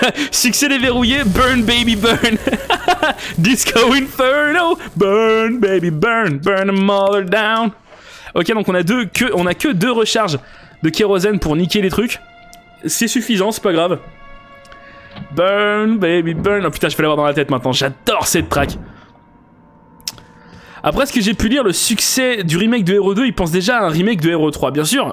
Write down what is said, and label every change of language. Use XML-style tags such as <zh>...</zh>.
<fr>Succès déverrouillé,</fr> <en>burn baby burn. Disco inferno, burn baby burn, burn them all down.</en> <fr>Ok, donc on a que deux recharges de kérosène pour niquer les trucs. C'est suffisant, c'est pas grave.</fr> <en>Burn baby burn.</en> <fr>Oh putain, je vais l'avoir dans la tête maintenant, j'adore cette track. Après ce que j'ai pu lire, le succès du remake de Hero 2, ils pensent déjà à un remake de Hero 3, bien sûr.</fr>